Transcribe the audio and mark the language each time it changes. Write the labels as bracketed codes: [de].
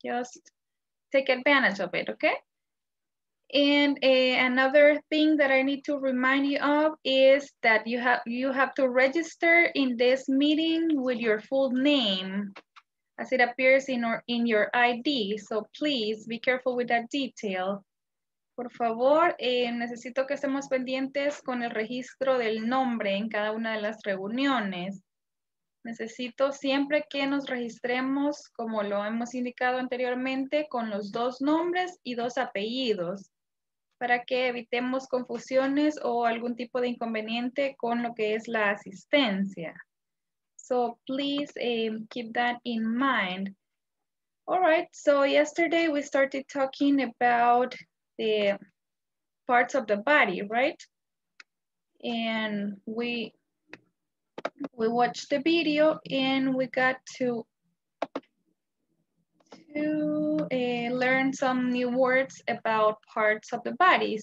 [en] Just take advantage of it, okay? And another thing that I need to remind you of is that you have to register in this meeting with your full name, as it appears in your ID. So please be careful with that detail. [es] Por favor, necesito que estemos pendientes con el registro del nombre en cada una de las reuniones. Necesito siempre que nos registremos, como lo hemos indicado anteriormente, con los dos nombres y dos apellidos, para que evitemos confusiones o algún tipo de inconveniente con lo que es la asistencia. [en] So please keep that in mind. All right, so yesterday we started talking about the parts of the body, right? And we watched the video and we got to learn some new words about parts of the body.